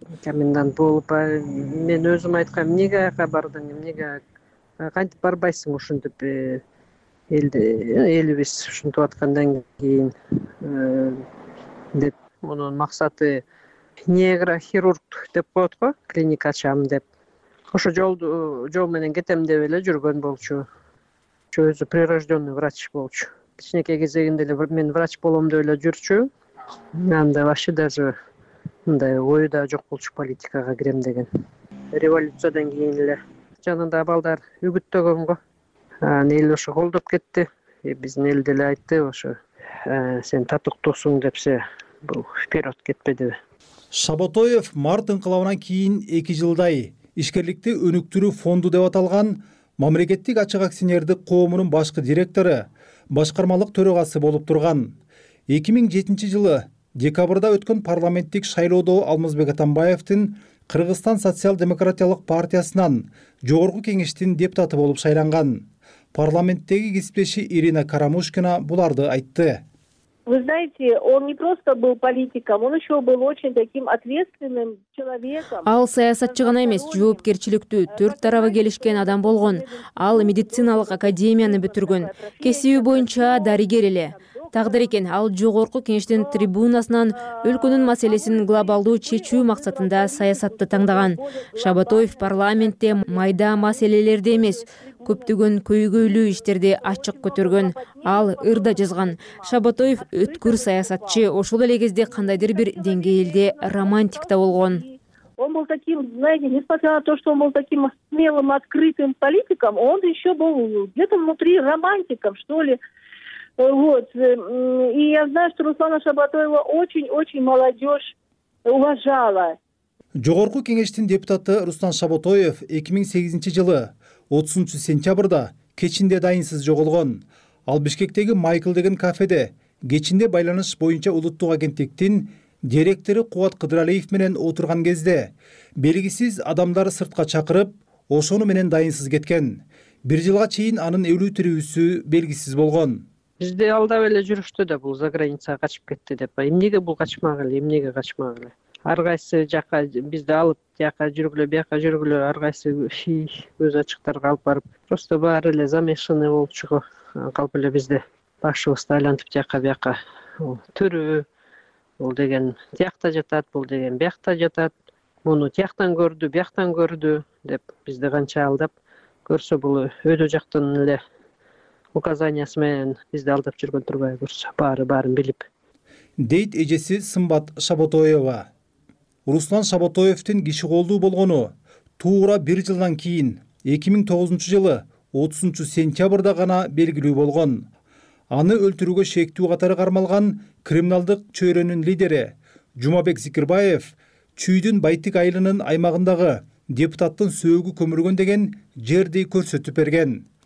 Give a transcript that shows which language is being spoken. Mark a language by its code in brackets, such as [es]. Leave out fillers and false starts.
[ky] Комендант болуп мен өзүм айткам, эмнеге аяка бардың, эмнеге кантип барбайсың ушинтип элибиз ушинтип аткандан кийин деп мунун максаты нейрохирург деп коет го, клиника ачам деп. Ошо жол менен кетем деп эле жүргөн болчу. Өзү прирожденный врач болчу. Кичинекей кезегинде эле мен врач болом деп эле жүрчү. Анда вообще даже мындай ою да жок болчу политикага кирем деген. Революциядан кийин эле жанында балдар үгүттөгөнго, анан эл ошо колдоп кетти. Биздин эл деле айтты, ошо сен татыктуусуң депсе бул вперед кетпедиби? Шабытоев март инкылабынан кийин 2 жылдай ишкерликти өнүктүрүү фонду деп аталган мамлекеттик ачык акционердик коомунун башкы директору, башкармалык төрагасы болуп турган. 2007 жылы декабрда өткөн парламенттик шайлоодо Алмазбек Атамбаевдин Кыргызстан социал-демократиялык партиясынан Жогорку Кеңештин депутаты болуп сайланган. Парламенттеги кесиптеши Ирина Карамушкина буларды айтты. [ru] Вы знаете, он не просто был политиком, он еще был очень таким ответственным человеком. [ky] Ал саясатчы гана эмес, жоопкерчиликтүү, төрт тарабы келишкен адам болгон. Ал медициналык академияны бүтүргөн. Кесиби боюнча дарыгер эле. Тагдыр экен, ал жогорку кеңештин трибунасынан өлкөнүн маселесин глобалдуу чечүү максатында саясатты таңдаган. Шабатоев парламентте майда маселелерди эмес, көптөгөн көйгөйлүү иштерди ачык көтөргөн. Ал ырда жазган. Шабатоев өткүр саясатчы, ошол эле кезде кандайдыр бир деңгээлде романтик да болгон. [ru] Он был таким, знаете, несмотря на то, что он был таким смелым, открытым политиком, он еще был где-то внутри романтиком, что ли. Вот. И я знаю, что Руслана Шабатоева очень-очень молодежь уважала. [ky] Жогорку кеңештин депутаты Руслан Шабатоев 2008 жылы 30 сентябрда кечинде дайынсыз жоголгон. Ал Бишкектеги Майкл деген кафеде кечинде байланыш боюнча улуттук агенттиктин директору Кубат Кыдыралиев менен отурган кезде белгисиз адамдар сыртка чакырып, ошону менен дайынсыз кеткен. Бир жылга чейин анын өлүү тирүүсү белгисиз болгон. Бизди алдап эле жүрүштү да, бул за границага качып кетти деп. Эмнеге бул качмак эле, эмнеге качмак эле? Ар кайсы жака бизди алып, тияка жүргүлө, бияка жүргүлө, ар кайсы өз ачыктарга алып барып, просто баары эле замешаны болчуго калып эле бизди башыбызды айлантып тияка бияка. Төрөө бул деген тиякта жатат, бул деген биякта жатат, муну тияктан көрдү, бияктан көрдү деп бизди канча алдап көрсө, бул өйдө жактын эле указаниясы менен бизди алдап жүргөн турбай көрсө, баарын билип. Дейт эжеси Сымбат Шабатоева. Руслан Шабатоевтин киши колдуу болгону туура бир жылдан кийин 2009 жылы 30 сентябрда гана белгилүү болгон. Аны өлтүрүүгө шектүү катары кармалган криминалдык чөйрөнүн лидери Жумабек Зикирбаев Чүйдүн Байтек айылынын аймагындагы депутаттын сөөгү көмүргөн деген жерди көрсөтүп берген.